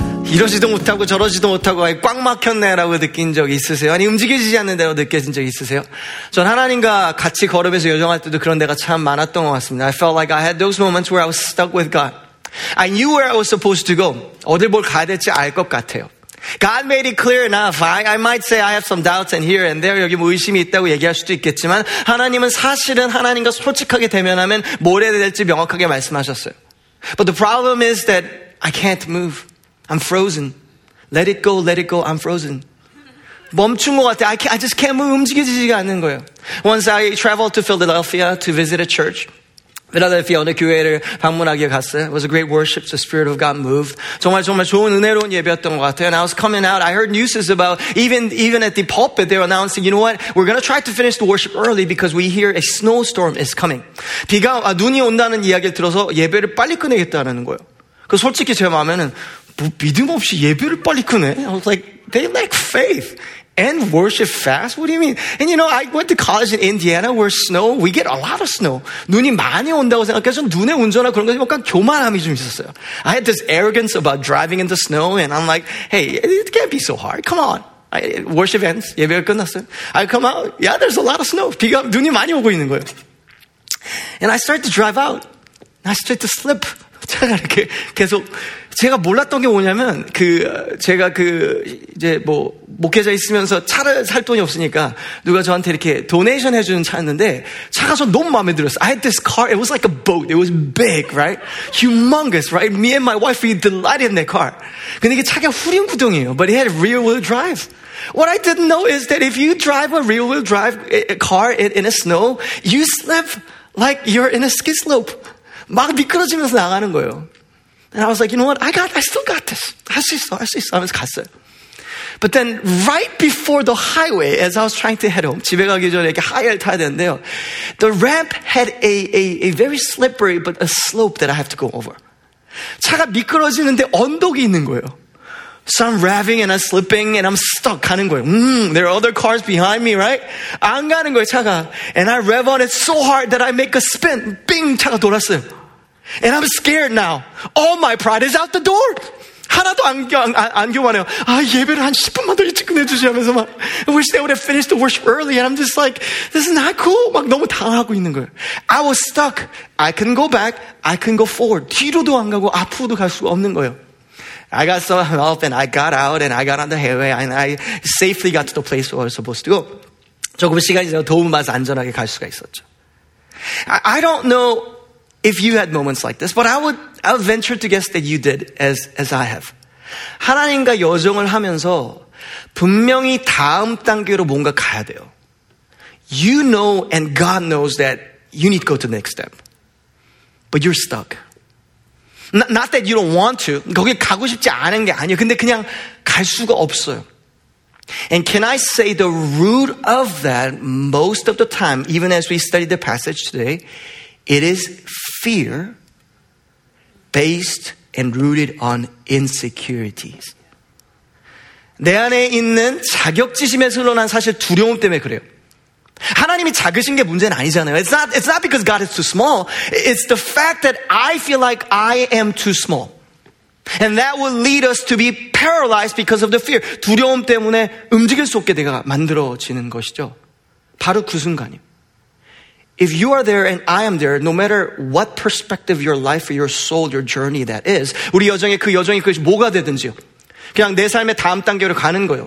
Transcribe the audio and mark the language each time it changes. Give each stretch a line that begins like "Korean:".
Korean: 이러지도 못하고 저러지도 못하고 아예 꽉 막혔네라고 느낀 적 있으세요? 아니 움직이지 않는다고 느껴진 적 있으세요? 전 하나님과 같이 걸으면서 요정할 때도 그런 데가 참 많았던 것 같습니다.
English: I felt like I had those moments where I was stuck with God. I knew where I was supposed to go.
Korean: 어딜 뭘 가야 될지 알 것 같아요.
English: God made it clear enough. I might say I have some doubts and here and there.
Korean: 여기 뭐 의심이 있다고 얘기할 수도 있겠지만 하나님은 사실은 하나님과 솔직하게 대면하면 뭘 해야 될지 명확하게 말씀하셨어요.
English: But the problem is that I can't move. I'm frozen. Let it go, let it go. I'm frozen.
Korean: 멈춘 것 같아.
English: I just can't move.
Korean: 움직이지가 않는 거예요.
English: Once I traveled to Philadelphia to visit a church.
Korean: 필라델피아 교회를 방문하기에 갔어요.
English: It was a great worship. The Spirit of God moved.
Korean: 정말 정말 좋은 은혜로운 예배였던 것 같아요.
English: And I was coming out. I heard news about even at the pulpit they were announcing, you know what? We're going to try to finish the worship early because we hear a snowstorm is coming.
Korean: 비가 아 눈이 온다는 이야기를 들어서 예배를 빨리 끝내겠다는 거예요. 그 솔직히 제 마음에는 뭐 믿음 없이 예배를 빨리 끝내?
English: I was like, they lack faith. And worship fast? What do you mean? And you know, I went to college in Indiana where snow, we get a lot of snow.
Korean: 눈이 많이 온다고 생각해서 눈에 운전하고 그런 거 약간 교만함이 좀 있었어요.
English: I had this arrogance about driving in the snow and I'm like, hey, it can't be so hard. Come on. Worship ends.
Korean: 예배가 끝났어요.
English: I come out. Yeah, there's a lot of snow.
Korean: 비가 눈이 많이 오고 있는 거예요.
English: And I start to drive out. I start to slip.
Korean: 차가 이렇게 계속 제가 몰랐던 게 뭐냐면 그 제가 그 이제 뭐 목회자 있으면서 차를 살 돈이 없으니까 누가 저한테 이렇게 도네이션 해주는 차였는데 차가 저 너무 마음에 들었어.
English: I had this car. It was like a boat. It was big, right? Humongous, right? Me and my wife, we delighted in that car.
Korean: 근데 이게 차가 후륜구동이에요.
English: But it had rear-wheel drive. What I didn't know is that if you drive a rear-wheel drive car in a snow, you slip like you're in a ski slope.
Korean: 막 미끄러지면서 나가는 거예요.
English: And I was like, you know what? I still got this.
Korean: 할 수 있어, 할 수 있어. 하면서 갔어요.
English: But then right before the highway, as I was trying to head home,
Korean: 집에 가기 전에 이렇게 하이를 타야 되는데요.
English: The ramp had a very slippery, but a slope that I have to go over.
Korean: 차가 미끄러지는데 언덕이 있는 거예요.
English: So I'm revving and I'm slipping and I'm stuck
Korean: 가는 거예요.
English: There are other cars behind me, right?
Korean: 안 가는 거예요, 차가.
English: And I rev on it so hard that I make a spin. Bing,
Korean: 차가 돌았어요.
English: And I'm scared now. All my pride is out the door.
Korean: 하나도 안 교만해요. 아, 예배를 한 10분만 더 일찍 끝내주지 하면서 막,
English: I wish they would have finished the worship early. And I'm just like, this is not cool.
Korean: 막 너무 당황하고 있는 거예요.
English: I was stuck. I couldn't go back. I couldn't go forward.
Korean: 뒤로도 안 가고 앞으로도 갈 수가 없는 거예요.
English: I got some help and I got out and I got on the highway and I safely got to the place where I was supposed to go.
Korean: 조금 시간이 지나 도움을 받아서 안전하게 갈 수가 있었죠.
English: I don't know if you had moments like this, but I would venture to guess that you did as I have.
Korean: 하나님과 여정을 하면서 분명히 다음 단계로 뭔가 가야 돼요.
English: You know and God knows that you need to go to the next step. But you're stuck. Not that you don't want to.
Korean: 거기 가고 싶지 않은 게 아니에요. 근데 그냥 갈 수가 없어요.
English: And can I say the root of that most of the time, even as we study the passage today, it is fear based and rooted on insecurities.
Korean: 내 안에 있는 자격지심에서 흘러난 사실 두려움 때문에 그래요. 하나님이 작으신 게 문제는 아니잖아요.
English: It's not because God is too small. It's the fact that I feel like I am too small. And that will lead us to be paralyzed because of the fear.
Korean: 두려움 때문에 움직일 수 없게 내가 만들어지는 것이죠. 바로 그 순간이요.
English: If you are there and I am there, no matter what perspective your life or your soul, your journey that is,
Korean: 우리 여정의 그 여정이 그것이 뭐가 되든지요. 그냥 내 삶의 다음 단계로 가는 거예요.